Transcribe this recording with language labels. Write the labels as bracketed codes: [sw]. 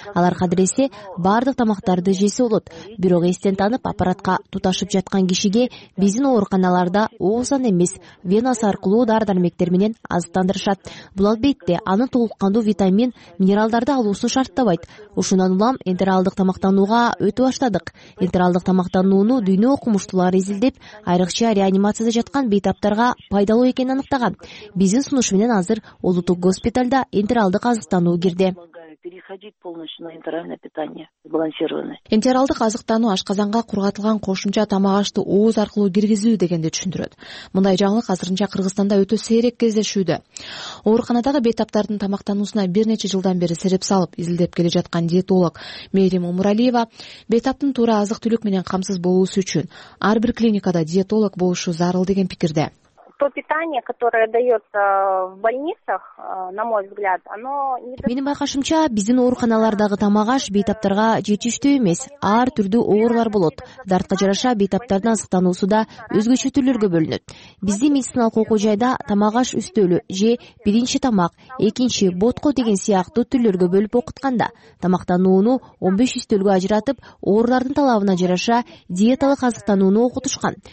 [ky] Алар кадыресе бардык тамактарды жесе болот, бирок эстен танып аппаратка туташып жаткан кишиге биздин ооруканаларда оозан эмес венасы аркылуу дары дармектер менен азыктандырышат. Бул албетте анын толуккандуу витамин, минералдарды алуусу шарттабайт. Ушундан улам балам интералдык тамактанууга өтүп баштадык. Интералдык тамактанууну дүйнө окумуштуулар изилдеп, айрыкча реанимацияда жаткан бейтаптарга пайдалуу экенин аныктаган. Биздин сунуш менен азыр улуттук госпиталда интералдык азыктануу кирди. [ru] Переходить полностью на энтеральное питание, сбалансированное. [ky] Энтералдык азыктануу ашказанга куругатылган кошумча тамак ашты ооз аркылуу киргизүү дегенди түшүндүрөт. Мындай жаңылык азырынча Кыргызстанда өтө сейрек кездешүүдө. Ооруканадагы бейтаптардын тамактануусуна бир нече жылдан бери сиреп салып, изилдеп келе жаткан диетолог Мейрим Умуралиева бейтаптын туура азык-түлүк менен камсыз болуусу үчүн ар бир клиникада диетолог болушу зарыл деген пикирде. [ru] То питание, которое дается в больницах, на мой взгляд, оно не так. [ky] Менин байкашымча, биздин ооруканалардагы тамак аш бейтаптарга жетиштүү эмес, ар түрдүү оорулар болот. Дартка жараша бейтаптардын азыктануусу да өзгөчө түрлөргө бөлүнөт. Биздин медициналык окуу жайда тамак аш үстөлү же биринчи тамак, экинчи ботко деген сыяктуу түрлөргө бөлүп окутканда, тамактанууну 15 үстөлгө ажыратып, оорулардын талабына жараша диеталык азыктанууну окутушкан.